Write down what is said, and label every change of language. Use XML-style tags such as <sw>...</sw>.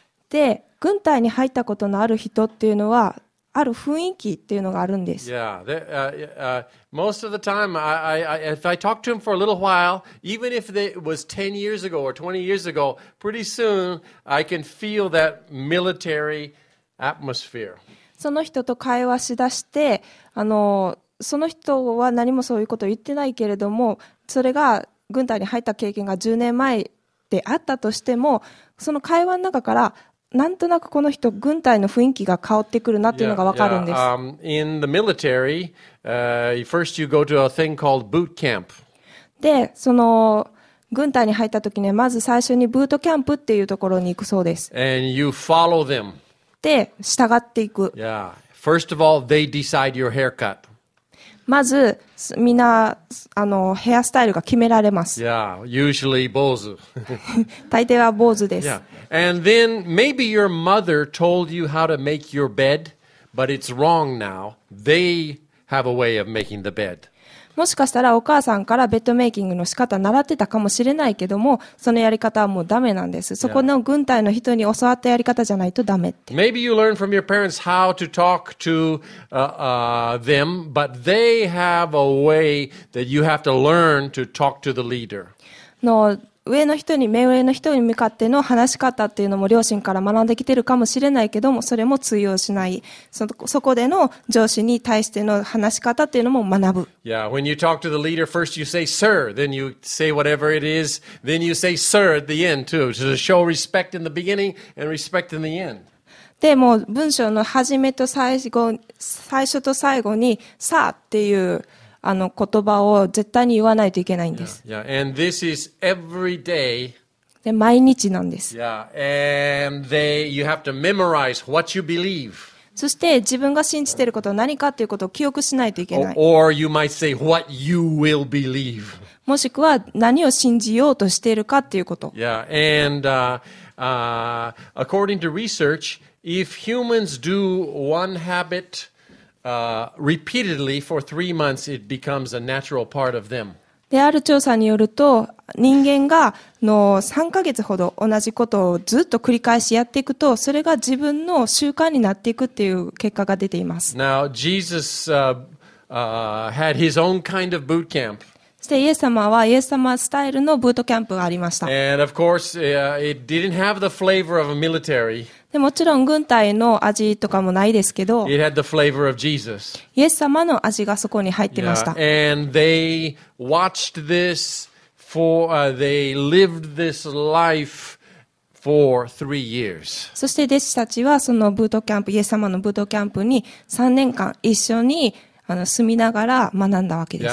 <ja>で、軍隊に入ったことのある人っていうのは、ある雰囲気っていうのがあるんです。</ja> <en>Yeah, most of the time, if I talk to them for a little while, even if it was 10 years ago or 20 years ago, pretty soon I can feel that military atmosphere.</en> <ja>その人と会話しだして、その人は何もそういうことを言ってないけれども、それが軍隊に入った経験が10年前。であったとしてもその会話の中からなんとなくこの人軍隊の雰囲気が変わってくるなっていうのがわかるんです。</ja> <en>Yeah, yeah. In the military, first you go to a thing called boot camp.</en> <ja>で、その軍隊に入った時にまず最初にブートキャンプっていうところに行くそうです。</ja> <en>And you follow them.</en> <ja>で、従っていく。</ja> <en>Yeah. First of all, they decide your haircut.</en> <ja>まずみんなヘアスタイルが決められます。</ja> <en>Yeah, usually 坊主。</en> <ja>大抵は坊主です。</ja> <en>Yeah. And then maybe your mother told you how to make your bed, but it's wrong now. They have a way of making the bed.</en> <ja>もしかしたらお母さんからベッドメイキングの仕方習ってたかもしれないけども、そのやり方はもうダメなんです。そこの軍隊の人に教わったやり方じゃないとダメって。</ja> <en>Maybe you learn from your parents how to talk to them, but they have a way that you have to learn to talk to the leader.</en> <ja>の上の人に目上の人に向かっての話し方っていうのも両親から学んできてるかもしれないけどもそれも通用しない そこでの上司に対しての話し方っていうのも学ぶ</ja> <en>Yeah, when you talk to the leader first you say sir then you say whatever it is then you say sir at the end too to show respect in the beginning and respect in the end</en> <ja>でも文章の始めと最初と最後にさあっていう言葉を絶対に言わないといけないんです。</ja> <en>Yeah, yeah. And this is every day.</en> <ja>で毎日なんです。</ja> <en>Yeah. And you have to memorize what you believe.</en> <ja>そして自分が信じていることは何かということを記憶しないといけない。</ja> <en>Or you might say what you will believe.</en> <ja>もしくは何を信じようとしているかということ。</ja> <en>Yeah. And according to research, if humans do one habit,repeatedly for 3 months, it becomes a natural part of them.</en> <ja>である調査によると、人間がの3ヶ月ほど同じことをずっと繰り返しやっていくと、それが自分の習慣になっていくっていう結果が出ています。</ja> <en>Now, Jesus had his own kind of boot camp.</en> <ja>してイエス様はイエス様スタイルのブートキャンプがありました。</ja> <en>And of course, it didn't have the flavor of a military.</en> <ja>でもちろん軍隊の味とかもないですけど、</ja> <en>It had the flavor of Jesus.</en> <ja>イエス様の味がそこに入ってました。</ja> <en>Yeah. And they watched this for, they lived this life. 3 years.</en> <ja>そして弟子たちはそのブートキャンプ、イエス様のブートキャンプに3年間一緒に住みながら学んだわけです。</ja>